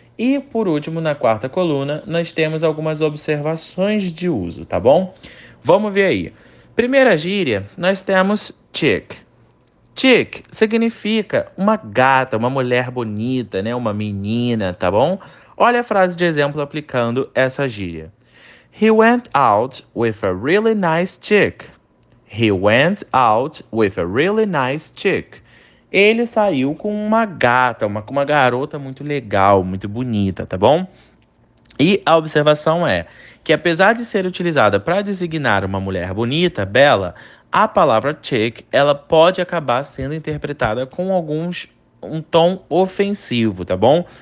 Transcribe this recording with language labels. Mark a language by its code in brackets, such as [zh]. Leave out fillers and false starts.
[pt] E por último, na quarta coluna, nós temos algumas observações de uso, tá bom? Vamos ver aí. Primeira gíria, nós temos chick. Chick significa uma gata, uma mulher bonita, né? Uma menina, tá bom? Olha a frase de exemplo aplicando essa gíria. [en] He went out with a really nice chick. He went out with a really nice chick. [pt] Ele saiu com uma gata, com uma garota muito legal, muito bonita, tá bom? E a observação é que, apesar de ser utilizada para designar uma mulher bonita, bela, a palavra chick, ela pode acabar sendo interpretada com um tom ofensivo, tá bom?